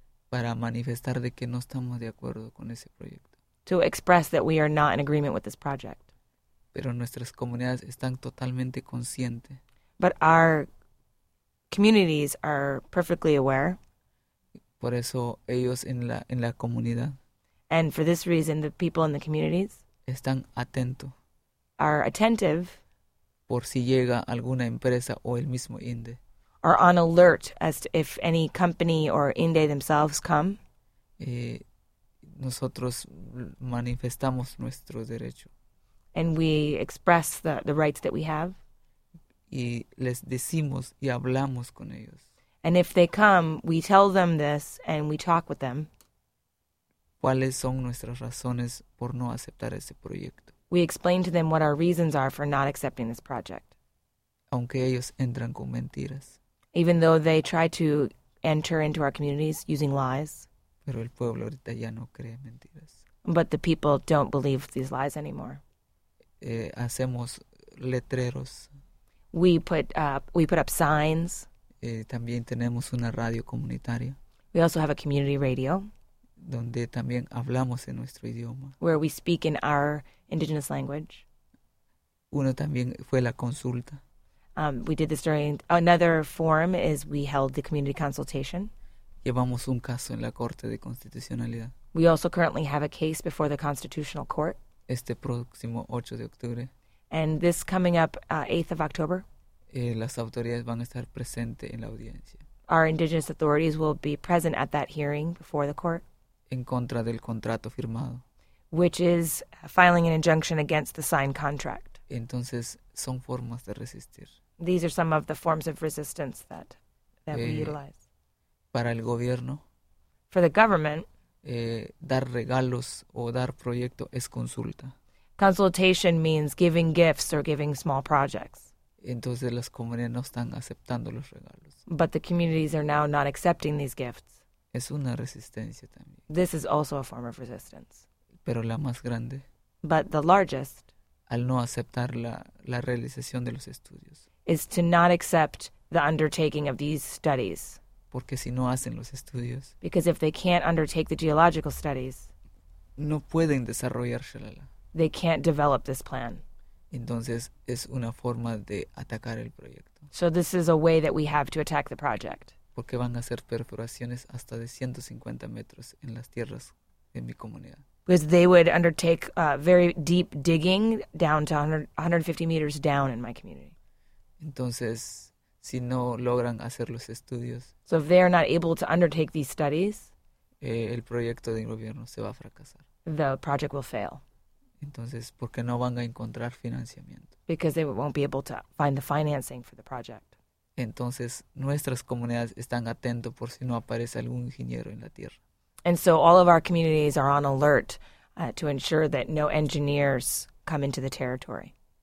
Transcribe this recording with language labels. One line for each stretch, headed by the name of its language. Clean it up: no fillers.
Spanish: Para manifestar de que no estamos de acuerdo con ese proyecto.
English: To express that we are not in agreement with this project.
Spanish: Pero nuestras comunidades están totalmente conscientes.
English: But our communities are perfectly aware.
Spanish: Por eso ellos en la comunidad.
English: And for this reason, the people in the communities.
Spanish: Están atentos.
English: Are attentive.
Spanish: Por si llega alguna empresa o el mismo INDE.
English: Are on alert as to if any company or INDE themselves come.
Spanish: Nosotros manifestamos nuestro derecho.
English: And we express the rights that we have.
Spanish: Y les decimos y hablamos con ellos.
English: And if they come, we tell them this and we talk with them.
Spanish: ¿Cuáles son nuestras razones por no aceptar ese proyecto?
English: We explain to them what our reasons are for not accepting this project.
Spanish: Aunque ellos entran con mentiras.
English: Even though they try to enter into our communities using lies.
Spanish: Pero el pueblo ahorita ya no cree mentiras.
English: But the people don't believe these lies anymore.
Spanish: Hacemos letreros.
English: We put up signs.
Spanish: También tenemos una radio comunitaria.
English: We also have a community radio.
Spanish: Donde también hablamos en nuestro idioma.
English: Where we speak in our indigenous language.
Spanish: Uno también fue la consulta.
English: We did this during another forum is we held the community consultation.
Spanish: Llevamos un caso en la Corte de Constitucionalidad.
English: We also currently have a case before the Constitutional Court.
Spanish: Este próximo 8 de octubre.
English: And this coming up 8th of October.
Spanish: Las autoridades van a estar presentes en la audiencia.
English: Our indigenous authorities will be present at that hearing before the court.
Spanish: En contra del contrato firmado.
English: Which is filing an injunction against the signed contract.
Spanish: Entonces, son formas de resistir.
English: These are some of the forms of resistance that we utilize.
Spanish: Para el gobierno.
English: For the government.
Spanish: Dar regalos o dar proyecto es consulta.
English: Consultation means giving gifts or giving small projects.
Spanish: Entonces las comunidades no están aceptando los regalos.
English: But the communities are now not accepting these gifts.
Spanish: Es una resistencia también.
English: This is also a form of resistance.
Spanish: Pero la más grande.
English: But the largest.
Spanish: Al no aceptar la realización de los estudios.
English: Is to not accept the undertaking of these studies.
Spanish: Porque si no hacen los estudios.
English: Because if they can't undertake the geological studies.
Spanish: No pueden desarrollar Shalala.
English: They can't develop this plan.
Spanish: Entonces, es una forma de atacar el proyecto.
English: So this is a way that we have to attack the project.
Spanish: Porque van a hacer perforaciones hasta de 150 metros en las tierras de mi comunidad.
English: Because they would undertake very deep digging down to 150 meters down in my community.
Spanish: Entonces, si no logran hacer los estudios.
English: So if they are not able to undertake these studies.
Spanish: El proyecto del gobierno se va a fracasar.
English: The project will fail.
Spanish: Entonces, ¿por qué no van a encontrar financiamiento?
English: Because they won't be able to find the financing for the project.
Spanish: Entonces, nuestras comunidades están atentos por si no aparece algún ingeniero en la tierra.
English: And so all of our communities are on alert to ensure that no engineers come into the territory.